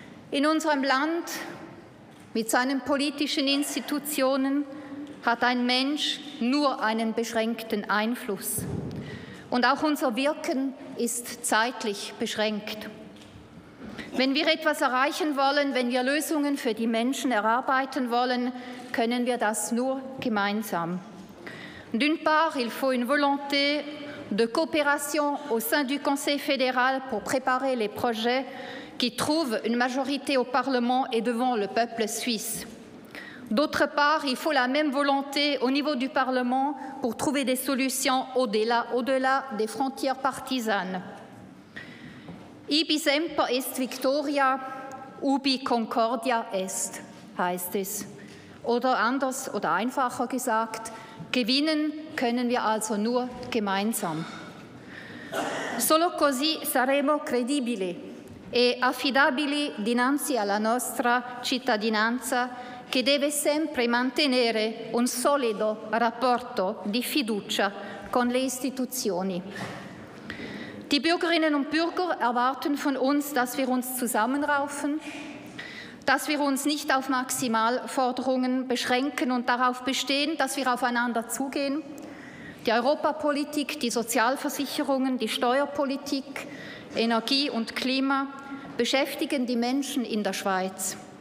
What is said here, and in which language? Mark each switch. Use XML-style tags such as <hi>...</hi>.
<de>In unserem Land mit seinen politischen Institutionen hat ein Mensch nur einen beschränkten Einfluss. Und auch unser Wirken ist zeitlich beschränkt. Wenn wir etwas erreichen wollen, wenn wir Lösungen für die Menschen erarbeiten wollen, können wir das nur gemeinsam.</de> <fr>D'une part, il faut une volonté de coopération au sein du Conseil fédéral pour préparer les projets qui trouvent une majorité au Parlement et devant le peuple suisse. D'autre part, il faut la même volonté au niveau du Parlement pour trouver des solutions au-delà des frontières partisanes.</fr> <la>Ibi semper est victoria, ubi concordia est,</la> <de>heißt es. Oder anders oder einfacher gesagt, gewinnen können wir also nur gemeinsam.</de> <it>Solo così saremo credibili e affidabili dinanzi alla nostra cittadinanza che deve sempre mantenere un solido rapporto di fiducia con le istituzioni.</it> <de>Die Bürgerinnen und Bürger erwarten von uns, dass wir uns zusammenraufen, dass wir uns nicht auf Maximalforderungen beschränken und darauf bestehen, dass wir aufeinander zugehen. Die Europapolitik, die Sozialversicherungen, die Steuerpolitik, Energie und Klima beschäftigen die Menschen in der Schweiz.</de>